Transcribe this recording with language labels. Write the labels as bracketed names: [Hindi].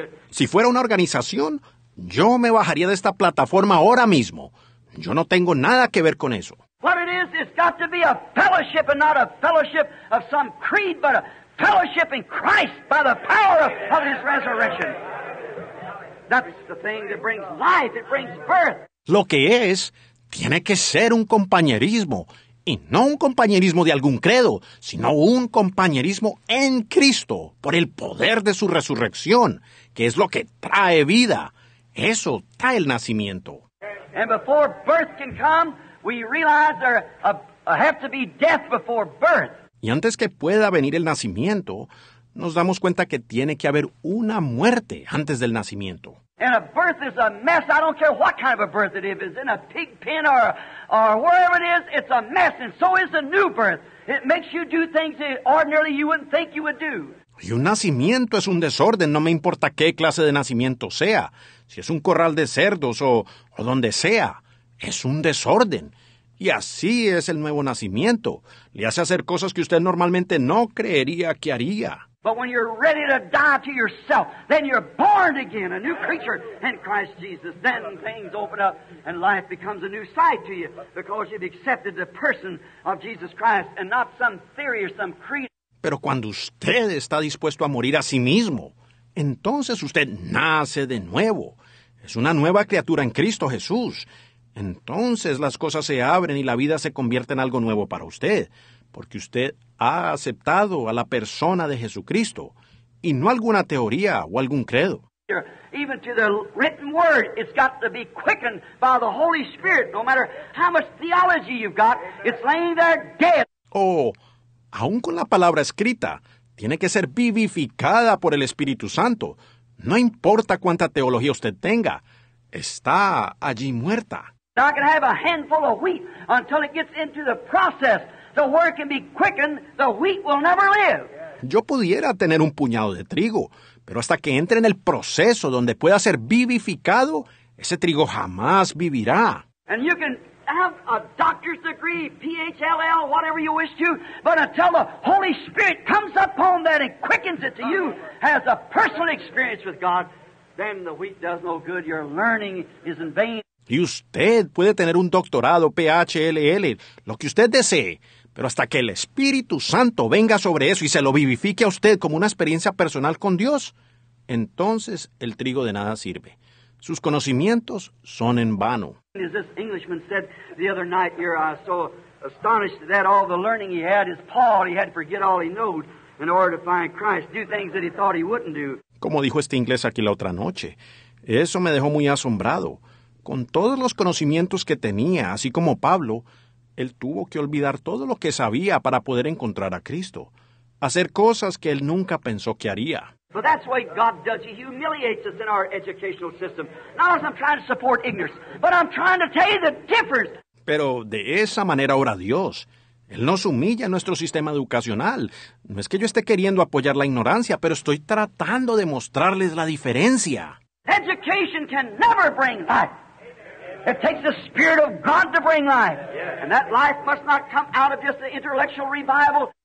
[Spanish] Si fuera una organización, yo me bajaría de esta plataforma ahora mismo. Yo no tengo nada que ver con eso. [English] What it is, it's got to be a fellowship and not a fellowship of some creed, but a fellowship in Christ by the power of His resurrection. That's the thing that brings life, it brings birth. [Spanish] Lo que es, tiene que ser un compañerismo, y no un compañerismo de algún credo, sino un compañerismo en Cristo, por el poder de su resurrección, que es lo que trae vida. Eso trae el nacimiento. [English] And before birth can come, we realize there have to be death before birth. [Spanish] Y antes que pueda venir el nacimiento, nos damos cuenta que tiene que haber una muerte antes del nacimiento. [English] And a birth is a mess. I don't care what kind of a birth it is. If it's in a pig pen or wherever it is, it's a mess. And so is a new birth. It makes you do things that ordinarily you wouldn't think you would do. [Spanish] Y un nacimiento es un desorden. No me importa qué clase de nacimiento sea. Si es un corral de cerdos o donde sea. Es un desorden. Y así es el nuevo nacimiento. Le hace hacer cosas que usted normalmente no creería que haría. [English] But when you're ready to die to yourself, then you're born again, a new creature in Christ Jesus. Then things open up and life becomes a new sight to you because you've accepted the person of Jesus Christ and not some theory or some creed. [Spanish] Pero cuando usted está dispuesto a morir a sí mismo, entonces usted nace de nuevo. Es una nueva criatura en Cristo Jesús. Entonces las cosas se abren y la vida se convierte en algo nuevo para usted, porque usted ha aceptado a la persona de Jesucristo, y no alguna teoría o algún credo. [English] Even to the written word, it's got to be quickened by the Holy Spirit. No matter how much theology you've got, it's laying there dead. [Spanish] Oh, aun con la palabra escrita, tiene que ser vivificada por el Espíritu Santo. No importa cuánta teología usted tenga, está allí muerta. [English] Now I can have a handful of wheat until it gets into the process. The word can be quickened, the wheat will never live. [Spanish] Yo pudiera tener un puñado de trigo, pero hasta que entre en el proceso donde pueda ser vivificado, ese trigo jamás vivirá. [English] And you can have a doctor's degree, PhD, whatever you wish to, but until the Holy Spirit comes upon that and quickens it to you, has a personal experience with God, then the wheat does no good. Your learning is in vain. [Spanish] Y usted puede tener un doctorado, PhD, lo que usted desee, pero hasta que el Espíritu Santo venga sobre eso y se lo vivifique a usted como una experiencia personal con Dios, entonces el trigo de nada sirve. Sus conocimientos son en vano. [English] As this Englishman said the other night here, I was so astonished that all the learning he had is Paul. He had to forget all he knew in order to find Christ, do things that he thought he wouldn't do. [Spanish] Como dijo este inglés aquí la otra noche, eso me dejó muy asombrado. Con todos los conocimientos que tenía, así como Pablo, él tuvo que olvidar todo lo que sabía para poder encontrar a Cristo, hacer cosas que él nunca pensó que haría. [English] But that's what God does. He humiliates us in our educational system. Not as I'm trying to support ignorance, but I'm trying to tell you the difference. [Spanish] Pero de esa manera obra Dios. Él nos humilla en nuestro sistema educacional. No es que yo esté queriendo apoyar la ignorancia, pero estoy tratando de mostrarles la diferencia. [English] Education can never bring life. It takes the Spirit of God to bring life. And that life must not come out of just the intellectual revival.